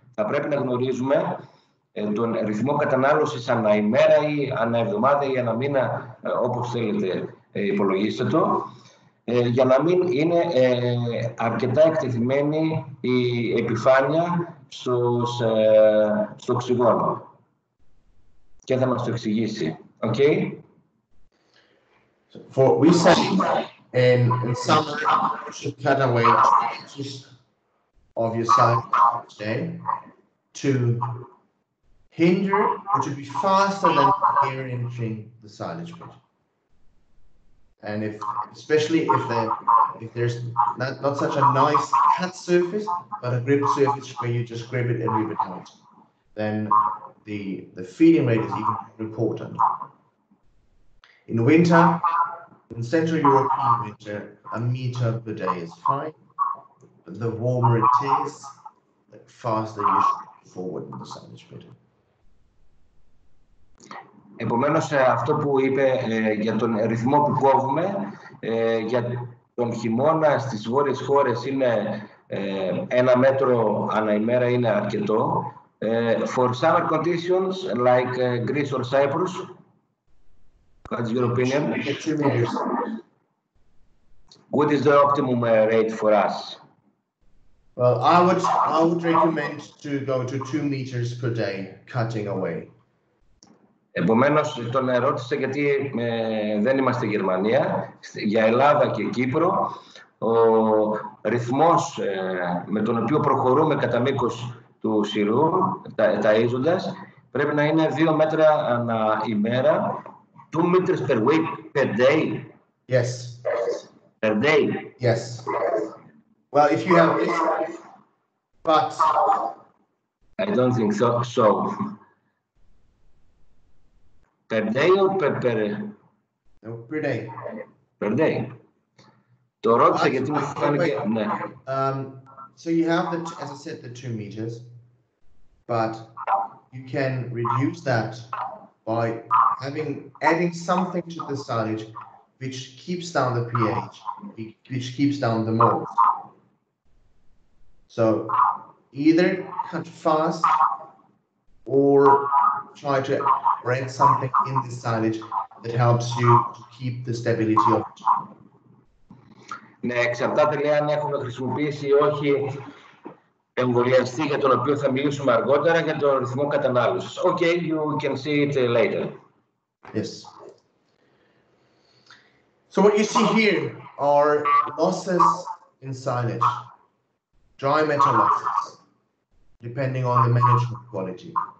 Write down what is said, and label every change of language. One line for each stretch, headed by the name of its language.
Greek: Θα πρέπει να γνωρίζουμε τον ρυθμό κατανάλωσης ανά ημέρα ή ανά εβδομάδα ή ανά μήνα, όπως θέλετε υπολογίστε το, για να μην είναι αρκετά εκτεθειμένη η επιφάνεια στο οξυγόνο. Και θα μας το εξηγήσει. Okay.
English: For we say in summer you should cut away 2 inches of your silage each day to hinder or to be faster than the air entering the silage pit. And if especially if there's not such a nice cut surface, but a grip surface where you just grip it and rip it out, then the feeding rate is even more important. In winter, in Central European winter, a meter per day is fine. But the warmer it is, the faster you should move forward in the sun is better.
Greek: Επομένως, αυτό που είπε για τον ρυθμό που κόβουμε, για τον χειμώνα στις βόρειες χώρες είναι ένα μέτρο ανά ημέρα είναι αρκετό.
English: For summer conditions, like Greece or Cyprus, what's your opinion? 2 meters. What is the optimum rate for us? Well, I would recommend to go to 2 meters per day, cutting away.
Greek: Επομένως, τον ερώτησε γιατί δεν είμαστε Γερμανία, για Ελλάδα και Κύπρο, ο ρυθμός με τον οποίο προχωρούμε κατά μήκος του σειρού, ταΐζοντας, πρέπει να είναι 2 μέτρα ανά ημέρα.
English: 2 meters per week, per day? Yes. Per day? Yes. Well, if you have this, but I don't think so. So per day or per no, per day. Per day.
Greek: Το ρώτησα γιατί μου φάνηκε, ναι.
English: So you have the, as I said, the 2 meters, but you can reduce that by having adding something to the silage, which keeps down the pH, which keeps down the mold. So either cut fast or try to add something in the silage that helps you to keep the stability of it.
Greek: Ναι, εξαρτάται λέει αν έχουμε χρησιμοποιήσει ή όχι εμβολιαστή για τον οποίο θα μιλήσουμε αργότερα για τον ρυθμό κατανάλωσης.
English: Okay, you can see it later. Yes. So what you see here are losses in silage, dry matter losses, depending on the management quality.